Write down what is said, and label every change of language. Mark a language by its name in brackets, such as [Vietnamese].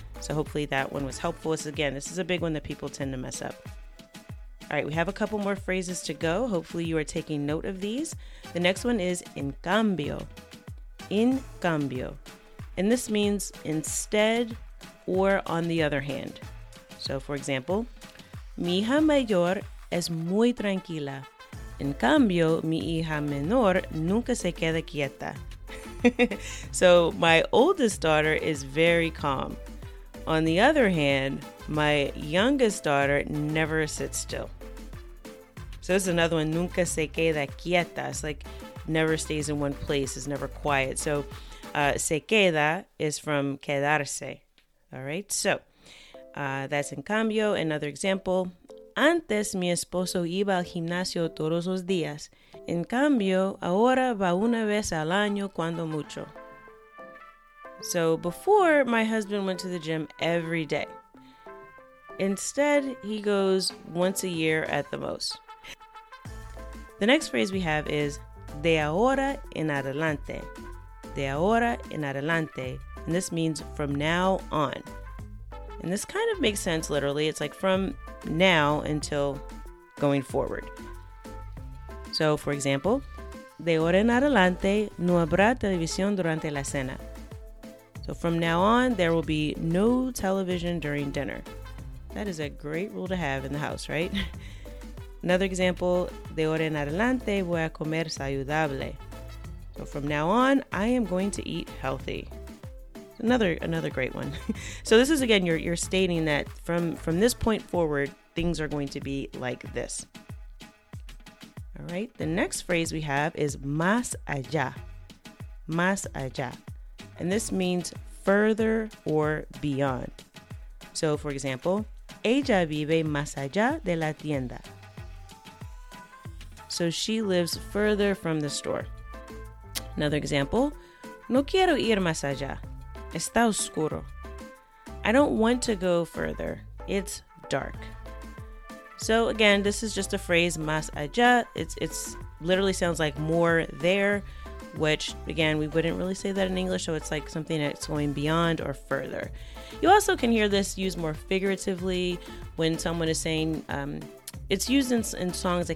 [English] So hopefully that one was helpful. This is a big one that people tend to mess up. All right. We have a couple more phrases to go. Hopefully you are taking note of these. The next one is en cambio. En cambio. And this means instead or on the other hand. So for example, [Spanish] mi hija mayor es muy tranquila. En cambio, mi hija menor nunca se queda quieta. [English] So my oldest daughter is very calm. On the other hand, my youngest daughter never sits still. So this is another one, [Spanish] nunca se queda quieta. [English] It's like never stays in one place, is never quiet. So se queda is from quedarse. All right, so that's en cambio. Another example, [Spanish] antes mi esposo iba al gimnasio todos los días. En cambio, ahora va una vez al año cuando mucho. [English] So before, my husband went to the gym every day. Instead, he goes once a year at the most. The next phrase we have is de ahora en adelante. De ahora en adelante. And this means from now on. And this kind of makes sense literally. It's like from now until going forward. So, for example, [Spanish] de ahora en adelante no habrá televisión durante la cena. [English] So, from now on, there will be no television during dinner. That is a great rule to have in the house, right? Another example, [Spanish] de ahora en adelante voy a comer saludable. [English] So, from now on, I am going to eat healthy. Another great one. So, this is, again, you're stating that from this point forward, things are going to be like this. All right, the next phrase we have is más allá, más allá. And this means further or beyond. So for example, [Spanish] ella vive más allá de la tienda. [English] So she lives further from the store. Another example, [Spanish] no quiero ir más allá, está oscuro. [English] I don't want to go further, it's dark. So again, this is just a phrase, más allá. It's literally sounds like more there, which again, we wouldn't really say that in English. So it's like something that's going beyond or further. You also can hear this used more figuratively when someone is saying, it's used in songs.